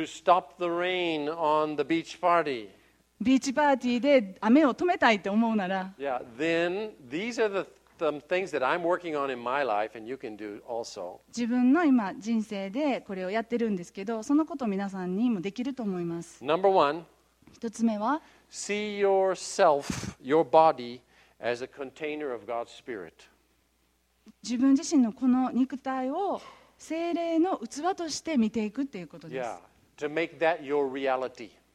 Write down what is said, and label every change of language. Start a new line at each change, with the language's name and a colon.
English: to stop the rain on the beach party.
Japanese: ビーチパーティーで雨を止めたいと思うなら、
English: yeah, then these are the things that I'm working on in my life, and you can do also.
Japanese: 自分の今人生でこれをやってるんですけど、そのことを皆さんにもできると思います。
English: Number one.
Japanese: 一つ目は、
English: see yourself, your body, as a container of God's Spirit.
Japanese: 自分自身のこの肉体を聖霊の器として見ていくということです。
English: Yeah, to make that your reality.